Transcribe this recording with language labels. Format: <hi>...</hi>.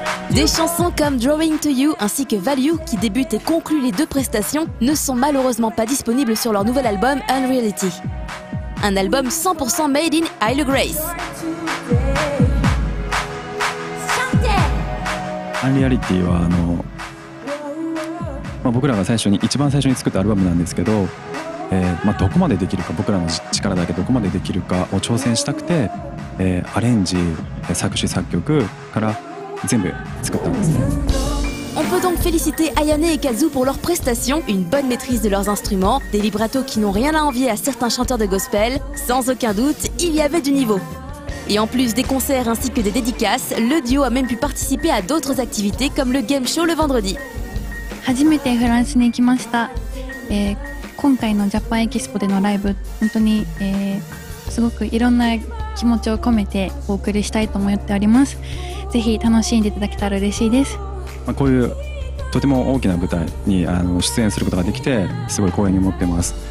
<fr>Des chansons comme Drawing to You ainsi que Value, qui débutent et concluent les deux prestations, ne sont malheureusement pas disponibles sur leur nouvel album Unreality. Un album 100% made in Isle of Grace.</fr> <ja>Unreality は僕らが最初に一番最初に作ったアルバムなんですけど、どこまでできるか、僕らの力だけどこまでできるかを挑戦したくて、アレンジ、作詞作曲から全部作ったんですね。</ja> <fr>On peut donc féliciter Ayane et Kazu pour leur prestation, une bonne maîtrise de leurs instruments, des vibrato qui n'ont rien à envier à certains chanteurs de gospel. Sans aucun doute, il y avait du niveau. Et en plus des concerts ainsi que des dédicaces, le duo a même pu participer à d'autres activités comme le game show le vendredi.</fr> <ja>初めてフランスに行きました。今回のジャパンエキスポでのライブ、本当にすごくいろんな気持ちを込めてお送りしたいと思っております。ぜひ楽しんでいただけたら嬉しいです。こういうとても大きな舞台に出演することができてすごい光栄に思ってます。</ja>